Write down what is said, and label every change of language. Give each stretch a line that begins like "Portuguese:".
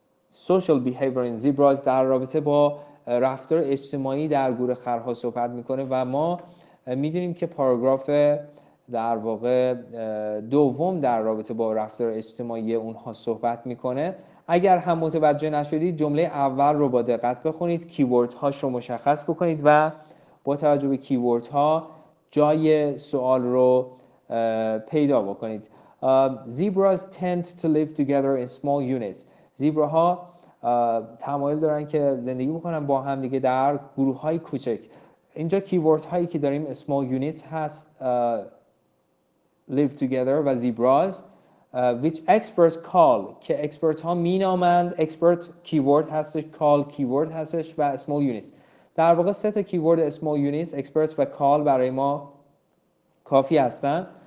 English: Social behavior in zebras
Persian: در رابطه با رفتار اجتماعی در گورخرها صحبت میکنه و ما میدونیم که پاراگراف در واقع دوم در رابطه با رفتار اجتماعی اونها صحبت میکنه. اگر هم متوجه نشدید جمله اول رو با دقت بخونید، کیورد هاش رو مشخص بکنید و با توجه به کیورد ها جای سوال رو پیدا بکنید.
English: Zebras tend to live together in small units.
Persian: زیبراها تمایل دارن که زندگی بکنن با هم دیگه در گروه های کوچک. اینجا کیورد هایی که داریم small units هست، live together و zebras،
English: which experts call
Persian: که expert ها می نامند. expert keyword هستش، call keyword هستش و small units. در واقع سه تا keyword small units، experts و call برای ما کافی هستن.